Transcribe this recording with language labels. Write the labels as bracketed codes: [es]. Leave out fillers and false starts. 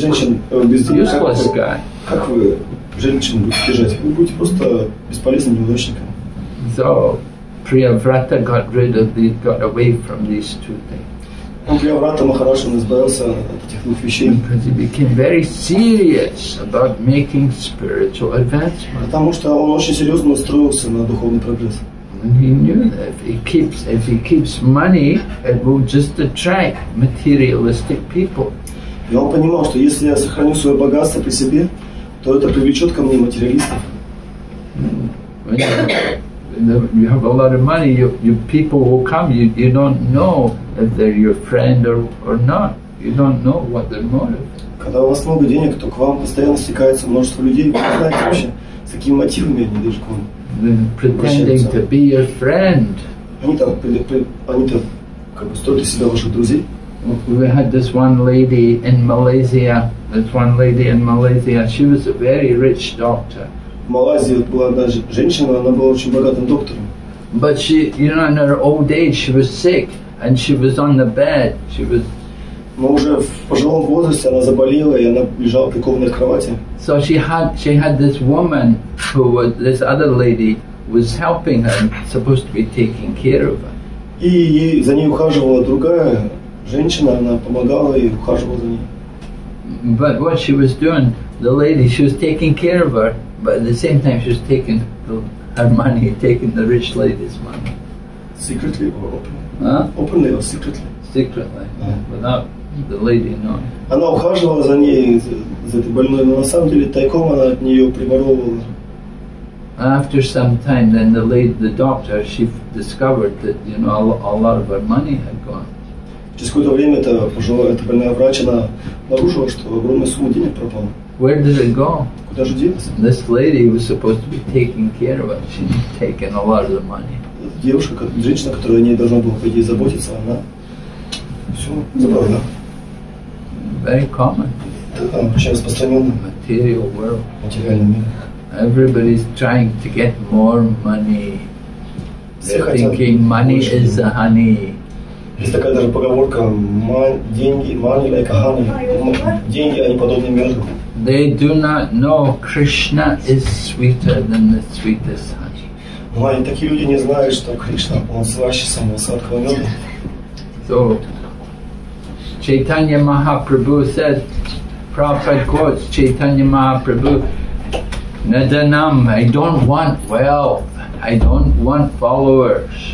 [ru] женщин, без денег, как вы женщину будете держать? Вы будете просто бесполезным неудачником. [en] So, Priyavrata got rid of these, got away from these two things. [ru] Он, Priyavrata Maharaj, избавился от этих двух вещей. [en] Because he became very serious about making spiritual advancement. [ru] Потому что он очень серьезно настроился на духовный прогресс. [en] And he knew that if he keeps money, it will just attract materialistic people. [ru] И он понимал, что если я сохраню свое богатство при себе, то это привлечет ко мне материалистов. [en] You have a lot of money, you people will come. You don't know if they're your friend or not. You don't know what their motive. [ru] Когда у вас много денег, то к вам постоянно стекается множество людей. Вы не знаете вообще, с какими мотивами они идут к вам. [en] Than pretending to be your friend. We had this one lady in Malaysia. She was a very rich doctor. But she, you know, in her old age, she was sick and she was on the bed. She was [ru] Но уже в пожилом возрасте она заболела, и она лежала в прикованной кровати. [en] So she had this woman who was this other lady was helping her, supposed to be taking care of her. [ru] И ей, за ней ухаживала другая женщина, она помогала ей, ухаживала за ней. [en] But what she was doing, the lady, she was taking care of her, but at the same time she was taking her money, taking the rich lady's money. Secretly or openly? Huh? Openly or secretly? Secretly, yeah. Without the lady knowing. [ru] Она ухаживала за ней, за этой больной, но на самом деле тайком она от нее приворовывала. [en] After some time, then the doctor discovered that, you know, a lot of her money had gone. [ru] Через какое-то время эта больная врач, она обнаружила, что огромная сумма денег пропала. [en] Where did it go? [ru] Куда же делась? [en] This lady was supposed to be taking care of her. She's taken a lot of the money. [ru] Девушка, женщина, которая о ней должна была по идее заботиться, она все забрала. [en] Very common. [ru] Да, очень распространенно. [en] Material world. [ru] Материальный мир. [en] Everybody's trying to get more money. They're thinking money is the honey. [ru] Есть такая даже поговорка: деньги, [en] money like honey. [ru] Деньги, они подобны меду. [en] They do not know Krishna is sweeter than the sweetest honey. [ru] Но они такие люди не знают, что Кришна он слаще самого сладкого меда. [en] So, Chaitanya Mahaprabhu said, Prabhupada quotes Chaitanya Mahaprabhu. Nadanam, I don't want wealth. I don't want followers.